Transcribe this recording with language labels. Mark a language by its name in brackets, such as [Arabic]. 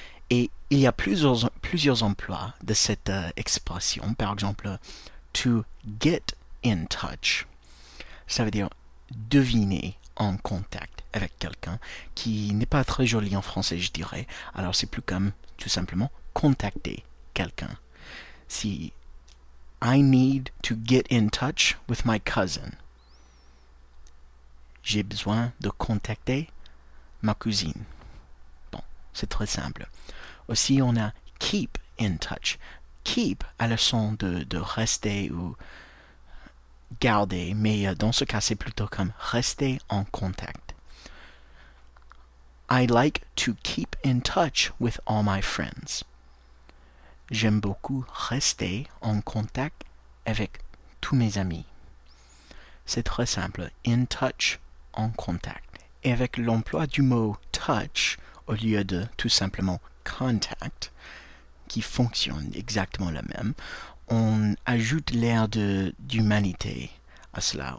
[French] Et il y a plusieurs emplois de cette expression. Par exemple, to get in touch. Ça veut dire deviner en contact avec quelqu'un, qui n'est pas très joli en français, je dirais. Alors c'est plus comme, tout simplement, contacter quelqu'un. [English] Si I need to get in touch with my cousin. [French] J'ai besoin de contacter ma cousine. Bon, c'est très simple. Aussi, on a keep in touch. Keep a le son de rester ou garder, mais dans ce cas, c'est plutôt comme rester en contact. [English] I like to keep in touch with all my friends. [French] J'aime beaucoup rester en contact avec tous mes amis. C'est très simple. In touch, en contact. Et avec l'emploi du mot touch au lieu de tout simplement contact, qui fonctionne exactement la même, on ajoute l'air d'humanité à cela.